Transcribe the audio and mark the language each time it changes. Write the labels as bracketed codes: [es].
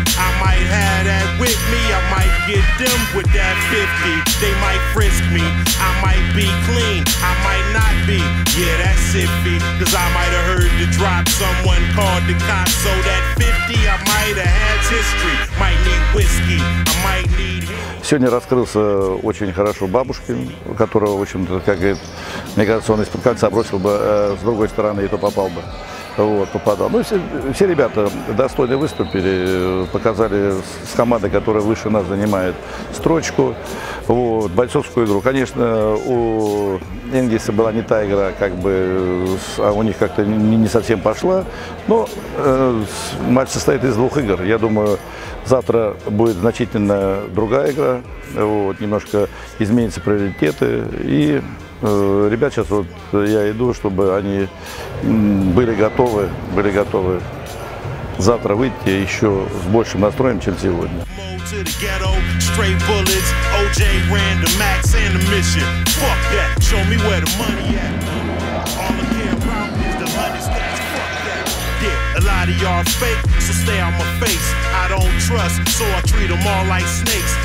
[en] I might have that with me, I might get them with that 50. They might frisk me, I might be clean, I might not be. Yeah, that's iffy, cause I might have heard the drop. Someone called the cops, so that 50, I might have had history. Might need whiskey, I might need... [ru] Сегодня раскрылся очень хорошо Бабушкин, которого, в общем-то, как говорит, мне кажется, он из-под кольца бросил бы с другой стороны, и то попал бы. Вот, попадал. Ну, все ребята достойно выступили, показали с командой, которая выше нас занимает строчку. Вот, бойцовскую игру. Конечно, у Энгельса была не та игра, как бы, а у них как-то не совсем пошла. Но матч состоит из двух игр. Я думаю, завтра будет значительно другая игра. Вот, немножко изменятся приоритеты. И ребят сейчас вот я иду, чтобы они были готовы завтра выйти еще с большим настроем, чем сегодня. [en] To the ghetto, straight bullets, OJ ran the max and the mission. Fuck that, show me where the money at. All I care about is the money stats. Fuck that. Yeah, a lot of y'all fake, so stay on my face. I don't trust, so I treat them all like snakes.